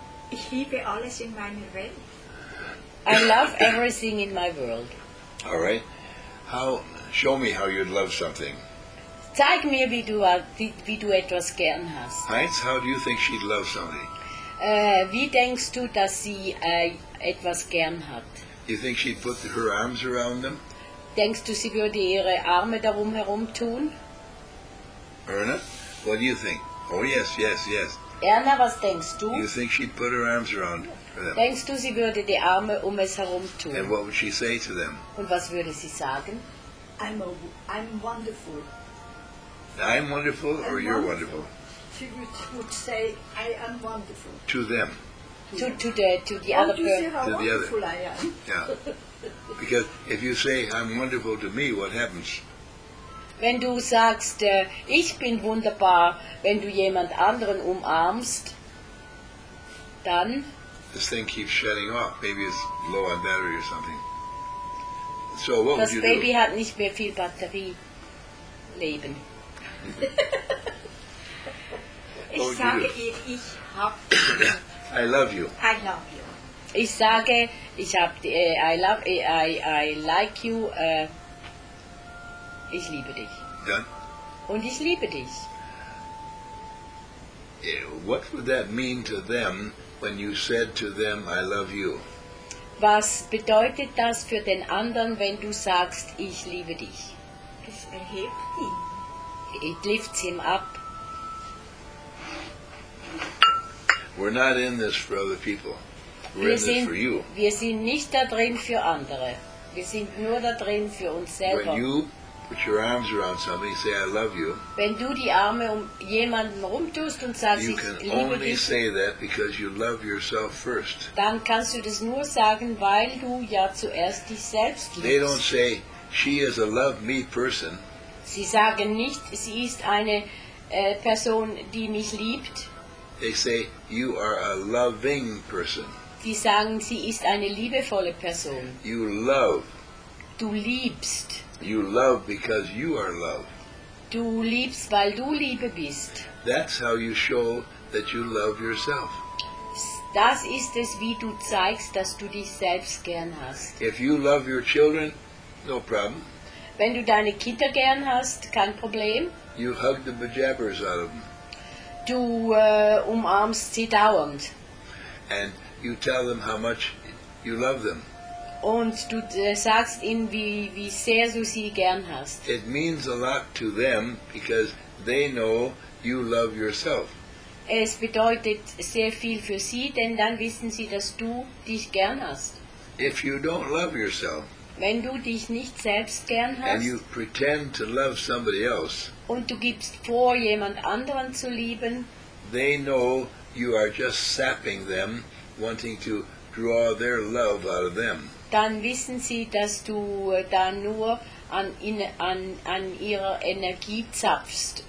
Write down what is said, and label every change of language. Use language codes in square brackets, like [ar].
[de] Ich liebe alles in meiner Welt. [en] I love everything in my world. All right. Show me how you'd love something. [de] Zeig mir, wie du etwas gern hast. [en] Heinz, how do you think she'd love something? [de] Wie denkst du, dass sie etwas gern hat? [en] You think she'd put her arms around them? [de] Denkst du, sie würde ihre Arme darum herum tun? [en] Erna, what do you think? Oh, yes, yes, yes. [de] Erna, was denkst du? [en] You think she'd put her arms around them? [de] Denkst du, sie würde die Arme um es herum tun? [en] And what would she say to them? [de] Und was würde sie sagen? [en] I'm wonderful. I'm wonderful or I'm you're wonderful? She would say, I am wonderful. To them. To the other person. How wonderful I am. Yeah. Because if you say, I'm wonderful to me, what happens? [de] Wenn du sagst, ich bin wunderbar, wenn du jemand anderen umarmst, dann... [en] This thing keeps shutting off. Maybe it's low on battery or something. So what [de] das [en] would you Baby do? [de] Hat nicht mehr viel Batterieleben. Ich sage ihr, ich hab... [en] I love you. I love you. [de] Ich sage, ich hab... [en] I like you... [de] Ich liebe dich. [en] Done? [de] Und ich liebe dich. [en] What would that mean to them when you said to them, I love you? [de] Was bedeutet das für den anderen, wenn du sagst, ich liebe dich? Es erhebt ihn. [en] It lifts him up. We're not in this for other people. We're in this for you. [de] Wir sind nicht da drin für andere. Wir sind nur da drin für uns selber. [en] When you put your arms around somebody, say, I love you. [de] Wenn du die Arme jemanden rumtust und sagst, ich liebe dich. [en] You can only say that because you love yourself first. [de] Dann kannst du das nur sagen, weil du ja zuerst dich selbst liebst. [en] They don't say, she is a love me person. [de] Sie sagen nicht, sie ist eine Person, die mich liebt. [en] They say, you are a loving person. [de] Sie sagen, sie ist eine liebevolle Person. [en] You love. [de] Du liebst. [en] You love because you are love. [de] Du liebst, weil du Liebe bist. [en] That's how you show that you love yourself. [de] Das ist es, wie du zeigst, dass du dich selbst gern hast. [en] If you love your children, no problem. [de] Wenn du deine Kinder gern hast, kein Problem. [en] You hug the bejabbers out of them. [de] Du umarmst sie dauernd. [en] And you tell them how much you love them. [de] Und du sagst ihnen, wie sehr du sie gern hast. [en] It means a lot to them because they know you love yourself. [de] Es bedeutet sehr viel für sie, denn dann wissen sie, dass du dich gern hast. [en] If you don't love yourself, [de] wenn du dich nicht selbst gern hast, [en] and you pretend to love somebody else, [de] und du gibst vor, jemand anderen zu lieben, [en] they know you are just sapping them, wanting to draw their love out of them. [de] Dann wissen sie, dass du da nur an ihrer Energie zapfst.